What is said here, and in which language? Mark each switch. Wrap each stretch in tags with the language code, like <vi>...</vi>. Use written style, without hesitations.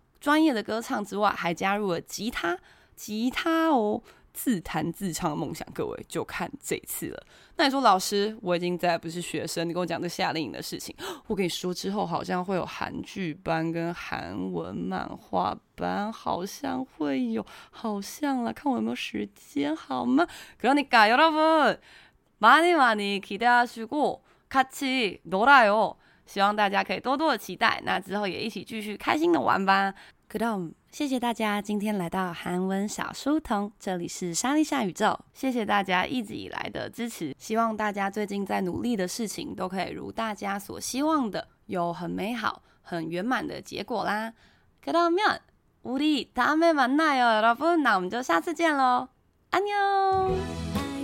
<zh>专业的歌唱之外，还加入了吉他哦，自弹自唱的梦想。各位就看这次了。那你说老师，我已经再不是学生，你跟我讲这夏令营的事情，我跟你说之后好像会有韩剧班跟韩文漫画 好像会有，好像啦，看我有没有时间好吗？</zh> <ko>그러니까 여러분 많이 많이 기대하시고 같이 놀아요.</ko> <zh>希望大家可以多多的期待，那之后也一起继续开心的玩吧。 그럼 谢谢大家今天来到韩文小书童，这里是莎莉莎宇宙，谢谢大家一直以来的支持，希望大家最近在努力的事情都可以如大家所希望的有很美好很圆满的结果啦。</zh> <ko>그러면 우리 다음에 만나요, 여러분.</ko> <zh>那我们就下次见咯。</zh> <ko>안녕.</ko>